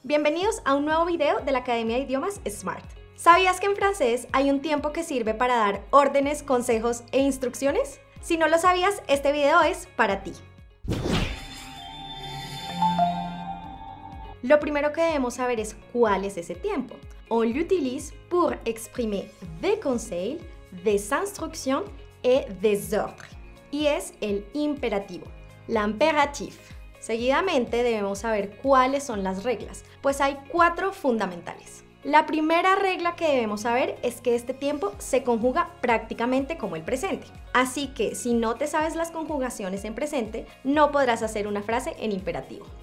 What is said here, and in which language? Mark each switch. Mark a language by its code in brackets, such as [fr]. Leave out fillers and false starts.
[es] Bienvenidos a un nuevo video de la Academia de Idiomas SMART. ¿Sabías que en francés hay un tiempo que sirve para dar órdenes, consejos e instrucciones? Si no lo sabías, este video es para ti. Lo primero que debemos saber es cuál es ese tiempo. [fr] On l'utilise pour exprimer des conseils, des instructions et des ordres. [es] Y es el imperativo, l'impératif. Seguidamente debemos saber cuáles son las reglas, pues hay cuatro fundamentales. La primera regla que debemos saber es que este tiempo se conjuga prácticamente como el presente. Así que si no te sabes las conjugaciones en presente, no podrás hacer una frase en imperativo.